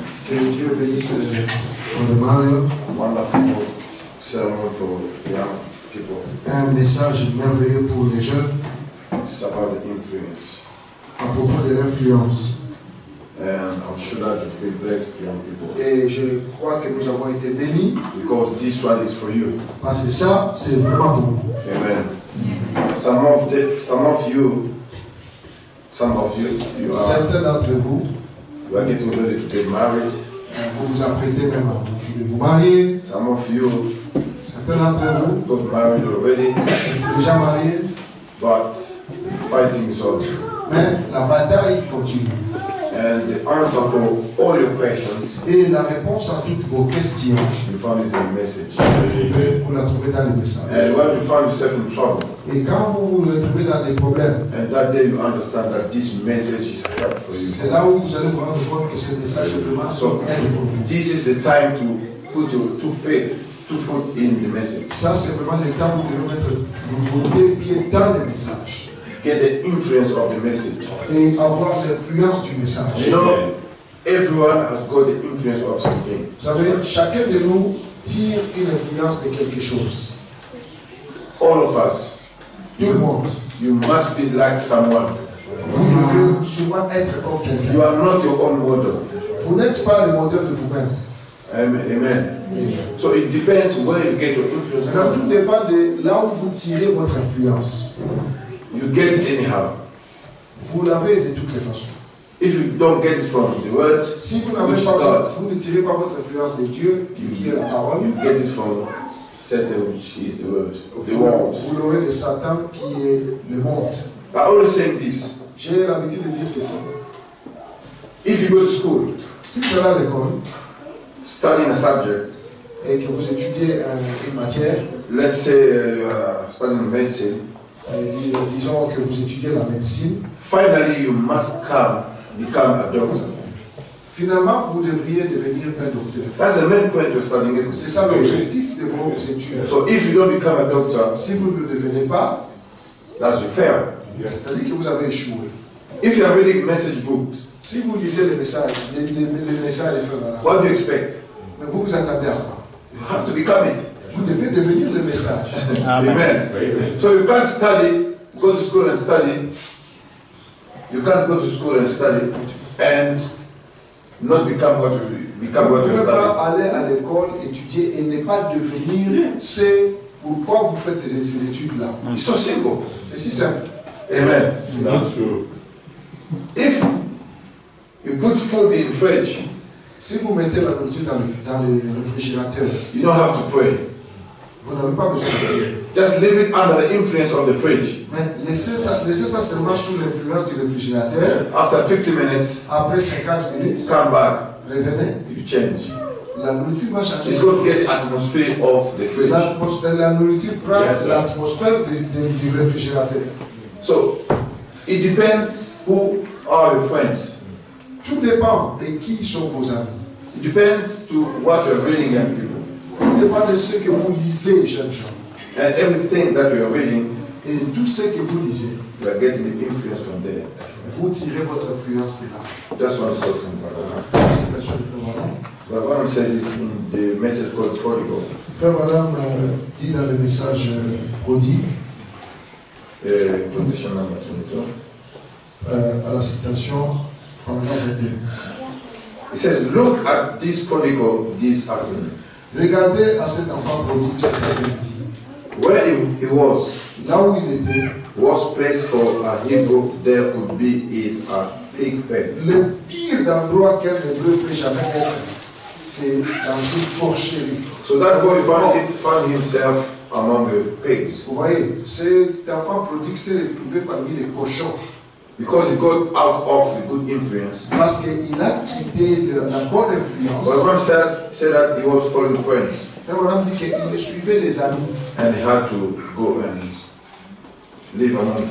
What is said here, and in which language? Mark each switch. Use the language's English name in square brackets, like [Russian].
[English] Can you hear me say, Brother Mario? Wonderful sermon for young people. [French] Un message merveilleux pour les jeunes. [English] It's about the influence. [French] À propos de l'influence. [English] And I'm sure that you've been blessed, young people. [French] Et je crois que nous avons été bénis. [English] Because this one is for you. [French] Parce que ça, c'est vraiment pour vous. [English] Amen. Some of you, [French] certains d'entre vous, [English] you are getting ready to get married. [French] Vous vous apprêtez même à vous marier. [English] Some of you, [French] certains d'entre vous, [English] got married already. [French] Vous êtes déjà mariés. [English] But the fighting is on. [French] Mais la bataille continue. [English] and the answer for all your questions. [French] Et la réponse à toutes vos questions. [English] You found it in the message. [French] Vous la trouvez dans le message. [English] And when you find yourself in trouble. [French] Et quand vous vous retrouvez dans des problèmes. [English] And that day you understand that this message is helpful for you. [French] C'est là où vous allez vous rendre compte que ce message est vraiment important pour vous. [English] This is the time to put your two foot in the message. [French] Ça c'est vraiment le temps où vous devez mettre vos deux pieds dans le message. [English] Get the influence of the message. [French] Et avoir l'influence du message. [English] You know, everyone has got the influence of something. [French] Vous savez, chacun de nous tire une influence de quelque chose. [English] All of us. [French] Tout le monde. [English] You must be like someone. [French] Vous devez souvent être comme quelqu'un. [English] You are not your own model. [French] Vous n'êtes pas le modèle de vous-même. [English] Amen. Amen. So it depends where you get your influence from. [French] Tout dépend de là où vous tirez votre influence. [English] You get it anyhow. [French] Vous l'avez de toutes les façons. [English] If you don't get it from the word, [French] si vous n'avez pas, God, vous ne tirez pas votre influence de Dieu, qui est la parole. [English] You get it from Satan, which is the word, the world. [French] Vous l'aurez de Satan, qui est le monde. [English] I always say this. [French] J'ai l'habitude de dire ceci. [English] If you go to school, [French] si vous allez à l'école, [English] studying a subject, [French] et que vous étudiez une matière, [English] let's say you are studying medicine. [French] Disons que vous étudiez la médecine. [English] Finally, you must become a doctor. [French] Finalement, vous devriez devenir un docteur. [English] That's the main point you're studying. [French] C'est ça l'objectif de vos études. [English] So if you don't become a doctor, [French] si vous ne devenez pas, [English] that's a fail. [French] C'est-à-dire que vous avez échoué. [English] If you are reading message books, [French] si vous lisez les messages, les messages de Frère, [English] what do you expect? [French] Mais vous vous attendez à quoi? [English] You have to become it. [French] Vous devez devenir le message. [English] Amen. Amen. So you can't study, go to school and study. You can't go to school and study and not become what you become what you study. [French] Vous ne pouvez pas aller à l'école étudier et ne pas devenir ce pourquoi vous faites ces études là. [English] It's so simple. [French] C'est si simple. [English] Amen. Not true. If you put food in the fridge, [French] si vous mettez la nourriture dans le réfrigérateur, [English] you don't have to pray. [French] Vous n'avez pas besoin de prier. [English] Just leave it under the influence of the fridge. [French] Mais laissez ça seulement sous l'influence du réfrigérateur. [English] After 50 minutes. [French] Après 50 minutes. [English] Come back. [French] Revenez. [English] You change. [French] La nourriture va changer. [English] It's going to get the atmosphere of the fridge. [French] La nourriture prend l'atmosphère du réfrigérateur. [English] So, it depends who are your friends. [French] Tout dépend de qui sont vos amis. [English] It depends to what you're reading and people. [French] Dépend de ce que vous lisez, jeunes gens. [English] And everything that you are reading, [French] et tout ce que vous lisez, [English] you are getting the influence from there. [French] Vous tirez votre influence de là. [English] That's what I'm talking about. [French] C'est la chose de Frère Branham. [English] Frère Branham said it in the message called Prodigal. [French] Frère Branham dit dans le message prodigue. Protection à notre nom. À la citation, pendant le début. [English] He says, look at this prodigal this afternoon. [French] Regardez à cet enfant prodigue cet après-midi. [English] Where he was, [French] là où il était, [English] worst place for a Hebrew there could be is a pig pen. [French] Le pire endroit qu'un Hébreu peut jamais être, c'est dans une porcherie. [English] So that boy found himself among the pigs. [French] Vous voyez, cet enfant prodigue s'est retrouvé parmi les cochons. [English] Because he got out of the good influence. [French] Parce qu'il a quitté la bonne influence. [English] But Abraham said that he was following friends. [French] Abraham dit qu'il suivait les amis. [English] And he had to go and live among the